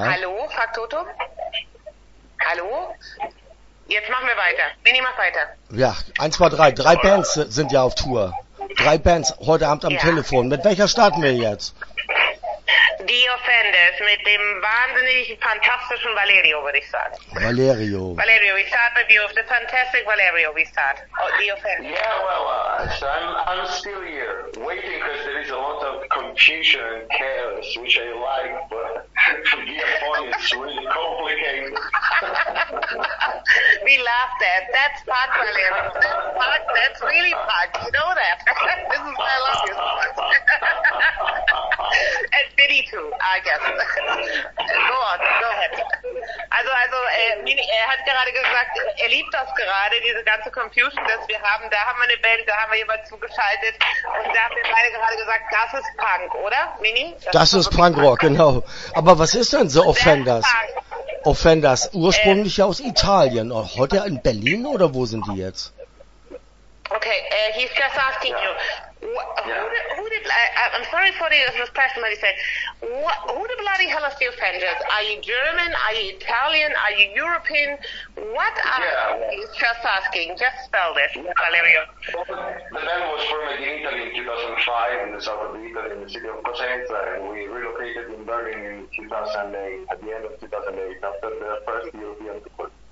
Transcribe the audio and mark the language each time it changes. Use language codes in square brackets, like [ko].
[de] Hallo, Faktor Tom? Hallo? Jetzt machen wir weiter. Mini, mach weiter. Ja, 1, 2, 3. Drei Bands sind ja auf Tour. Drei Bands heute Abend am Telefon. Mit welcher starten wir jetzt? Die Offenders mit dem wahnsinnig fantastischen Valerio, würde ich sagen. Valerio, [en] we start with you. The fantastic Valerio, we start. Oh, the Offenders. Yeah, well, I'm still here waiting because there is a lot of confusion and chaos, which I like, but to be a phone, it's really complicated. We love that. That's fun, Valerio. That's really fun. You know that. This is why I love you so much. And Biddy too, I guess. Go on, go ahead. [de] Also, er hat gerade gesagt, er liebt das gerade, diese ganze Confusion, dass wir haben. Da haben wir eine Band, da haben wir jemanden zugeschaltet. Und da haben wir beide gerade gesagt, das ist Punk, oder, Mini? Das ist Punkrock, genau. Aber was ist denn so Offenders? Offenders, ursprünglich aus Italien. Heute in Berlin, oder wo sind die jetzt? [en] Okay, he's just asking you. I'm sorry for this question, but he said, who the bloody hell are the Offenders? Are you German? Are you Italian? Are you European? What are you? He's just asking. Just spell this, Valerio. The band was formed in Italy in 2005 in the south of Italy, in the city of Cosenza, and we relocated in Berlin in 2008, at the end of 2008, after the first European tour.